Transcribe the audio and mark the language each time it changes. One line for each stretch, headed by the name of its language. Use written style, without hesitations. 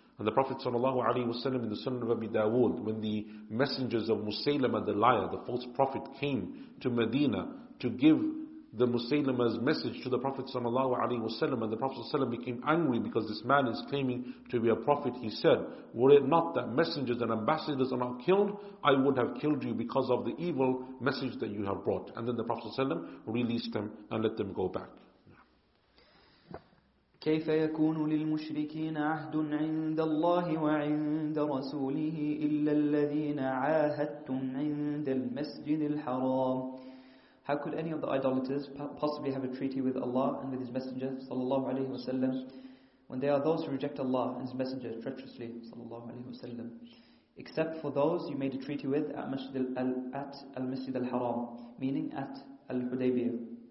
English: And the Prophet ﷺ in the Sunan of Abi Dawud, when the messengers of Musaylama the liar, the false prophet, came to Medina to give the Musaylama's message to the Prophet
Arabic: sallallahu alaihi wasallam,
English: and the Prophet sallallahu alaihi wasallam became angry because this man is claiming to be a prophet, he said, "Were it not that messengers and ambassadors are not killed, I would have killed you because of the evil message that you have brought." And then the Prophet
Arabic: sallallahu alaihi wasallam
English: released them and let them go back.
Arabic: كيف يكون للمشركين عهد عند الله وعند رسوله إلا الذين عاهدتم عند المسجد الحرام.
English: How could any of the idolaters possibly have a treaty with Allah and with His Messenger,
Arabic: sallallahu alaihi wasallam,
English: when they are those who reject Allah and His Messenger treacherously, sallallahu alaihi wasallam, except for those you made a treaty with at al-Masjid al-Haram, meaning at al-Hudaybiyah.